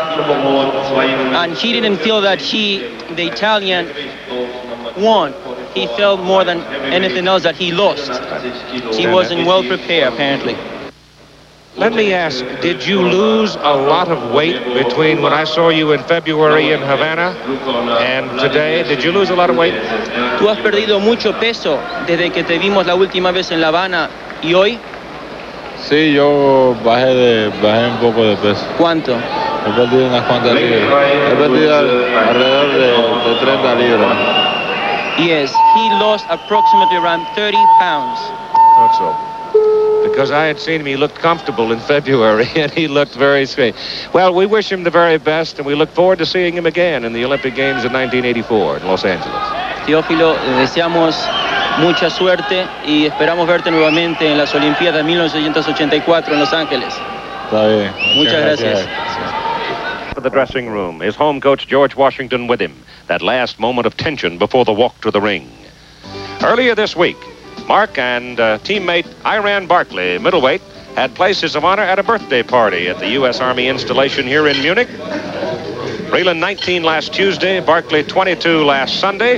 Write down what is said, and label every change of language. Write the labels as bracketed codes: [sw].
[en] And he didn't feel that the Italian, won. He felt more than anything else that he lost. He wasn't well prepared, apparently. Let me ask, did you lose a lot of weight between when I saw you in February in Havana and today? Did you lose a lot of weight? [es] Tú has perdido mucho peso desde que te vimos la última vez en La Habana y hoy? Sí, yo bajé un poco de peso. ¿Cuánto? He perdido unas cuantas libras. He perdido alrededor de 30 libras. [en] Yes, he lost approximately around 30 pounds. That's all. Because I had seen him, he looked comfortable in February, and he looked very sweet. Well, we wish him the very best, and we look forward to seeing him again in the Olympic Games in 1984 in Los Angeles. [es] Teofilo, deseamos mucha suerte y esperamos verte nuevamente en las Olimpiadas 1984 en Los Ángeles. Está bien. Muchas gracias. [en] For the dressing room, his home coach George Washington with him. That last moment of tension before the walk to the ring. Earlier this week, Mark and teammate Iran Barkley, middleweight, had places of honor at a birthday party at the U.S. Army installation here in Munich. Breland 19 last Tuesday, Barkley 22 last Sunday.